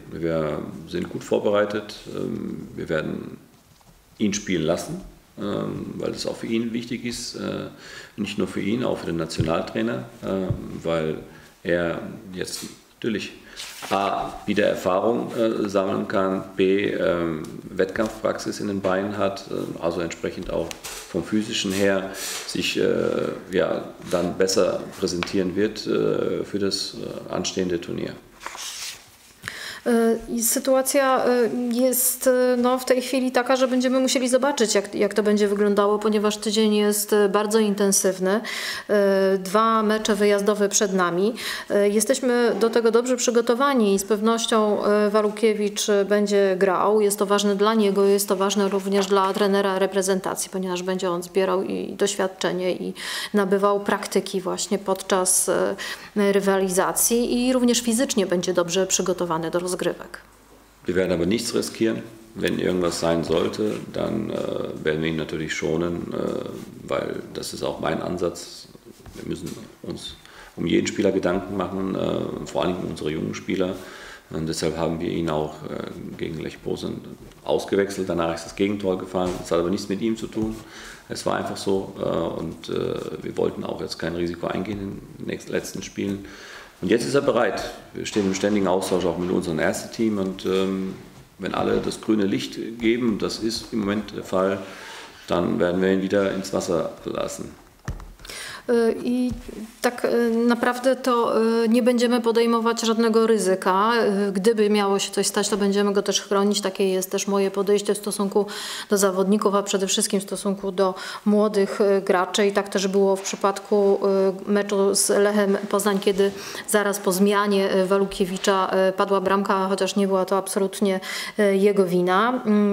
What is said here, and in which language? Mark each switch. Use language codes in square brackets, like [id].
[de] Wir sind gut vorbereitet. Wir werden ihn spielen lassen, weil es auch für ihn wichtig ist, nicht nur für ihn, auch für den Nationaltrainer, weil er jetzt natürlich A, wieder Erfahrung sammeln kann, B, Wettkampfpraxis in den Beinen hat, also entsprechend auch vom Physischen her sich ja, dann besser präsentieren wird für das anstehende Turnier. [pl] Sytuacja jest no, w tej chwili taka, że będziemy musieli zobaczyć, jak to będzie wyglądało, ponieważ tydzień jest bardzo intensywny. 2 mecze wyjazdowe przed nami. Jesteśmy do tego dobrze przygotowani i z pewnością Walukiewicz będzie grał. Jest to ważne dla niego, jest to ważne również dla trenera reprezentacji, ponieważ będzie on zbierał i doświadczenie i nabywał praktyki właśnie podczas rywalizacji i również fizycznie będzie dobrze przygotowany do rozgrywek. [de] Wir werden aber nichts riskieren. wenn irgendwas sein sollte, dann werden wir ihn natürlich schonen, weil das ist auch mein Ansatz. Wir müssen uns um jeden Spieler Gedanken machen, vor allem um unsere jungen Spieler. Und deshalb haben wir ihn auch gegen Lech Posen ausgewechselt. Danach ist das Gegentor gefallen. Das hat aber nichts mit ihm zu tun. Es war einfach so. Und wir wollten auch jetzt kein Risiko eingehen in den nächsten, letzten Spielen. Und jetzt ist er bereit. Wir stehen im ständigen Austausch auch mit unserem ersten Team. Und wenn alle das grüne Licht geben, das ist im Moment der Fall, dann werden wir ihn wieder ins Wasser lassen. [pl] I tak naprawdę to nie będziemy podejmować żadnego ryzyka. Gdyby miało się coś stać, to będziemy go też chronić. Takie jest też moje podejście w stosunku do zawodników, a przede wszystkim w stosunku do młodych graczy. I tak też było w przypadku meczu z Lechem Poznań, kiedy zaraz po zmianie Walukiewicza padła bramka, chociaż nie była to absolutnie jego wina.